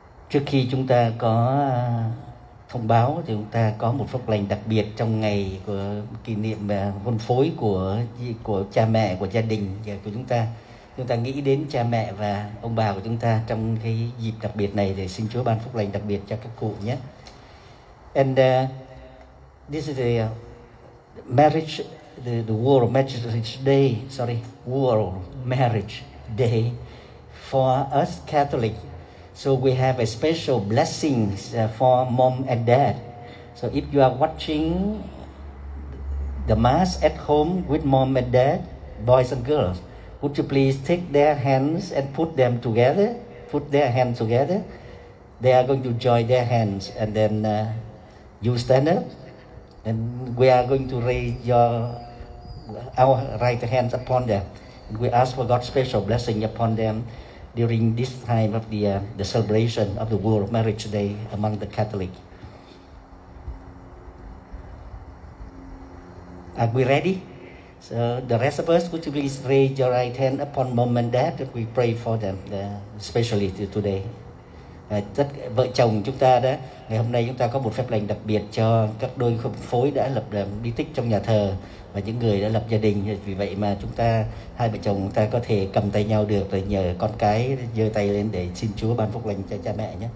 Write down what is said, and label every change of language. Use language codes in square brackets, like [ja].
[vi] Trước khi chúng ta có thông báo thì chúng ta có một phúc lành đặc biệt trong ngày của kỷ niệm hôn phối của cha mẹ, của gia đình của chúng ta. Chúng ta nghĩ đến cha mẹ và ông bà của chúng ta trong cái dịp đặc biệt này, để xin Chúa ban phúc lành đặc biệt cho các cụ nhé. [en] And this is the marriage, the World Marriage Day, sorry, World Marriage Day for us Catholics. So we have a special blessing for mom and dad. So if you are watching the mass at home with mom and dad, boys and girls, would you please take their hands and put them together? Put their hands together. They are going to join their hands, and then you stand up, and we are going to raise our right hands upon them. We ask for God's special blessing upon them during this time of the celebration of the World Marriage Day among the Catholics. Are we ready? So the rest of us, would you please raise your right hand upon mom and dad if we pray for them, especially today. [vi] Tất vợ chồng chúng ta đó, ngày hôm nay chúng ta có một phép lành đặc biệt cho các đôi hôn phối đã lập bí tích trong nhà thờ và những người đã lập gia đình. Vì vậy mà chúng ta, hai vợ chồng chúng ta có thể cầm tay nhau được, rồi nhờ con cái giơ tay lên để xin Chúa ban phúc lành cho cha mẹ nhé.